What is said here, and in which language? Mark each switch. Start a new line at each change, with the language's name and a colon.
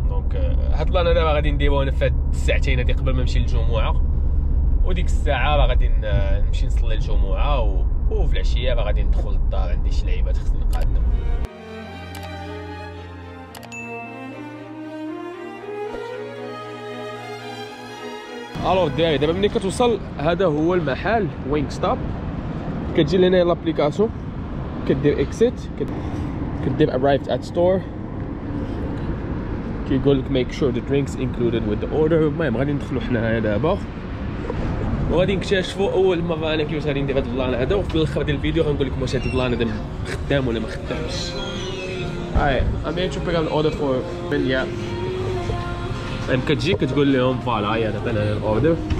Arabic: دونك هاد البلان انا غادي نديرو انا في الساعتين هادي قبل ما نمشي للجمعه، وديك الساعه راه غادي نمشي نصلي الجمعه وفي العشيه راه غادي ندخل للدار، عندي شي لعيبات خصني نقادهم. الو الدراري، دابا ملي كتوصل هذا هو المحل وينك ستوب. كتجي لهنا لابليكاسيون، كدير اكسيت، كدير
English: arrived at store،
Arabic: كيقول لك
English: make sure the drinks included with the order.
Arabic: المهم غادي ندخلو حنا هنا دابا وغادي نكتشفوا اول مره انا كيفاش غادي ندير هذا البلان هذا، وفي الاخر ديال الفيديو غنقول لكم واش هذا البلان هذا خدام ولا ما خدامش.
English: Hi I'm going to pick up an order for Ben. Yeah.
Arabic: المهم كتجي كتقول لهم فوالا هي هذا بان الاوردر.